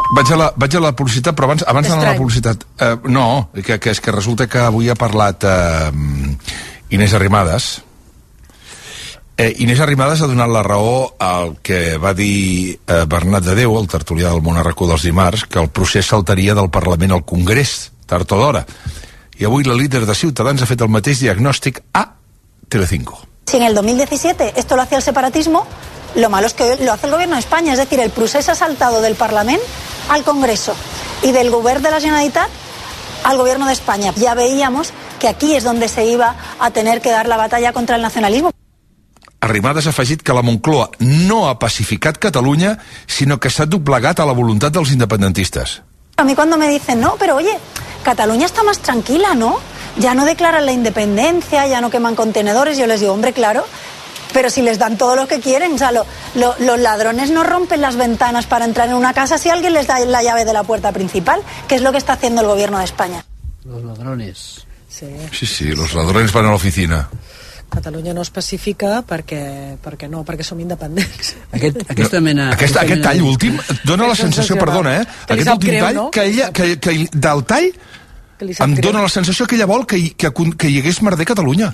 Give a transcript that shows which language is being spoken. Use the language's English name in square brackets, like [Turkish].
[Catalan] Vaig a la publicitat, però abans d'anar a la publicitat... No, que resulta que avui ha parlat Inés Arrimadas. Inés Arrimadas ha donat la raó al que va dir Bernat de Déu, el tertulià del Món a RAC1 dels dimarts, que el procés saltaria del Parlament al Congrés, tard o d'hora. [Spanish] Y hoy la líder de Ciudadanos ha hecho el mismo diagnóstico a Telecinco. Si en el 2017 esto lo hacía el separatismo, lo malo es que hoy lo hace el gobierno de España. Es decir, el procés ha saltado del Parlamento al Congreso y del gobierno de la Generalitat al gobierno de España. Ya veíamos que aquí es donde se iba a tener que dar la batalla contra el nacionalismo. [Catalan] Arrimadas ha afegit que la Moncloa no ha pacificat Catalunya, sinó que s'ha doblegat a la voluntat dels independentistes. [Spanish] A mí cuando me dicen, no, pero oye, Cataluña está más tranquila, ¿no? Ya no declaran la independencia, ya no queman contenedores, yo les digo, hombre, claro, pero si les dan todo lo que quieren, o sea, los ladrones no rompen las ventanas para entrar en una casa si alguien les da la llave de la puerta principal, que es lo que está haciendo el gobierno de España. Los ladrones. Sí, los ladrones van a la oficina. [Catalan] Catalunya no es pacifica perquè no, perquè som independents. Aquest tall últim dona la sensació, perdona, aquest últim tall, que del tall em dona la sensació que ella vol que hi hagués merder a Catalunya.